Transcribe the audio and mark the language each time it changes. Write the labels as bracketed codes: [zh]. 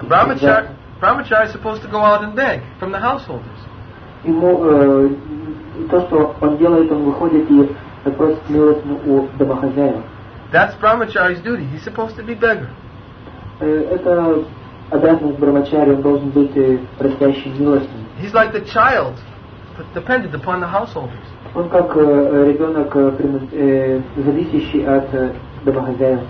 [en] Brahmachari is supposed to go out and beg from the householders. [ru] Ему то, что он делает, он выходит и просит милость у домохозяев. [en] That's Brahmachari's duty. He's supposed to be beggar. [ru] Это обязанность брахмачари, он должен быть просящим милостным. [en] He's like the child, dependent upon the householders. [ru] Он как ребенок, зависящий от домохозяев.